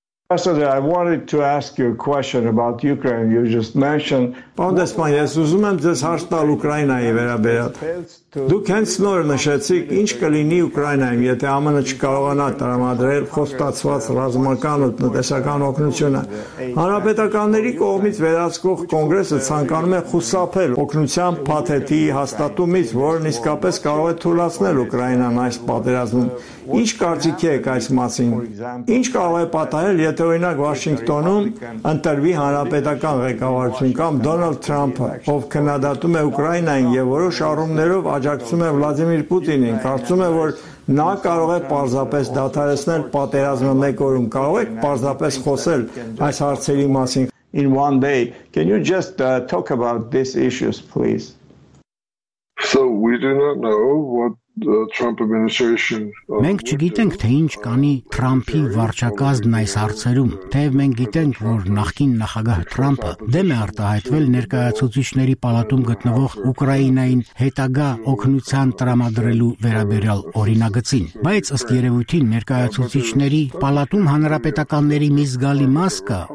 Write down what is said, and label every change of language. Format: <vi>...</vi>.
<en>Yesterday, I wanted to ask you a question about Ukraine. You just mentioned.</en> <hy>Պանդեսպան, ես ուզում եմ ձեզ հարցնել Ուկրաինայի վերաբերյալ։ Դուք հենց նոր նշեցիք, ինչ կլինի Ուկրաինայում, եթե ԱՄՆ չկարողանա տրամադրել խոստացված ռազմական ու տնտեսական օգնությունը։ Հանրապետականների կողմից վերածվող կոնգրեսը ցանկանում է խուսափել օգնության փաթեթի հաստատումից, որն իսկապես կարող է թույլատրել Ուկրաինան այս պատերազմում։ Ինչ կարծիք եք այս մասին։ Ինչ կարող է պատահել, եթե օրինակ Վաշինգտոնում ընտրվի հանրապետական ղեկավարություն կամ Դոնալդ Թրամփը, ով քննադատում է Ուկրաինային և որոշ առումներով աջակցում է Վլադիմիր Պուտինին, կարծում է, որ նա կարող է պարզապես դադարեցնել պատերազմը մեկ օրում, կարող է պարզապես խոսել այս հարցերի մասին։</hy> <en>In one day, can you just talk about these issues, please? So we do not know what the Trump administration</en> <hy>Մենք չգիտենք, թե ինչ կանի Թրամփի վարչակազմն այս հարցերում, թեև մենք գիտենք, որ նախկին նախագահ Թրամփը դեմ է արտահայտվել ներկայացուցիչների պալատում գտնվող Ուկրաինային հետագա օգնության տրամադրելու վերաբերյալ օրինագծին, բայց ըստ երևույթին ներկայացուցիչների պալատում հանրապետականների մի զգալի մաս կա,</hy>